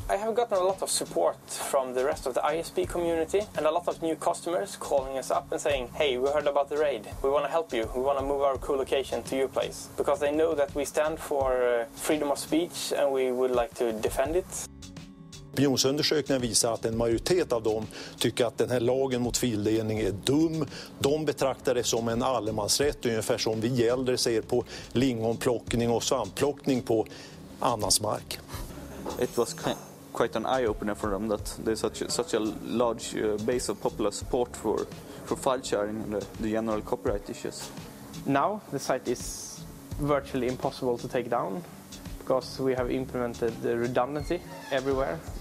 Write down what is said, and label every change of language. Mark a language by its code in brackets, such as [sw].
[en] I have gotten a lot of support from the rest of the ISP community and a lot of new customers calling us up and saying, hey, we heard about the raid. We want to help you. We want to move our co-location to your place. Because they know that we stand for freedom of speech and we would like to defend it. [sv] Opinionsundersökningen visar att en majoritet av dem tycker att den här lagen mot fildelning är dum. De betraktar det som en allemansrätt, ungefär som vi äldre ser på lingonplockning och svampplockning på annans mark. [en] It was quite an eye opener for them that there's such a large base of popular support for file sharing and the general copyright issues. Now the site is virtually impossible to take down because we have implemented the redundancy everywhere.